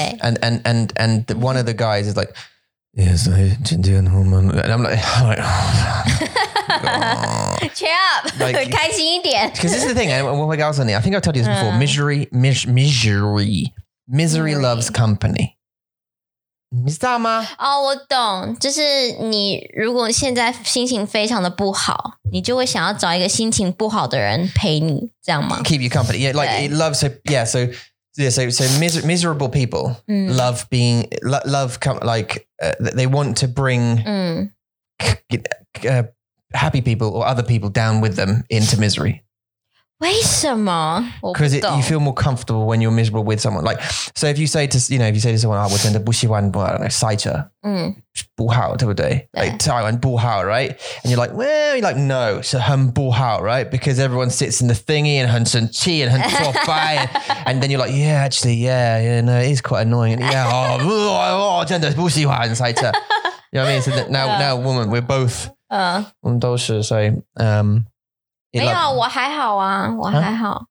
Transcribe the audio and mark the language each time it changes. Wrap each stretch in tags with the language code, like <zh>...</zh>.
<en>And one of the guys is like, Yes, I'm like cheer up,</en> <zh>开心一点.</zh> <en>Because this is the thing, I think I've told you this before, misery loves company.</en> <zh>你知道吗？哦，我懂，就是你如果现在心情非常的不好，你就会想要找一个心情不好的人陪你，这样吗</zh> <en>？Keep you company, yeah. Like it loves, so yeah. So yeah, so miserable people love being love come like they want to bring happy people or other people down with them into misery.</en> <zh>为什么？</zh> <en>Because you feel more comfortable when you're miserable with someone. Like, so if you say to, you know, if you say to someone,</en> <zh>我真的不喜欢,</zh> <en>I don't know,</en> <zh>塞车, 不好, 对不对?</zh> <en>Like,</en> <zh>台湾不好,</zh> <en>right? And you're like, well, you're like, no,</en> <zh>是很不好,</zh> <en>right? Because everyone sits in the thingy and</en> <zh>很生气</zh> <en>and</en> <zh>很挫败,</zh> <en>and then you're like, yeah, actually, yeah, yeah, no, it is quite annoying. And yeah,</en> <zh>哦, 哦, 哦, 真的不喜欢, 塞车.</zh> <en>You know what I mean? So that now, now, woman, we're both,</en> <zh>我们都是,</zh> <en>so, It</en> <zh>没有，我还好啊，我还好。</zh>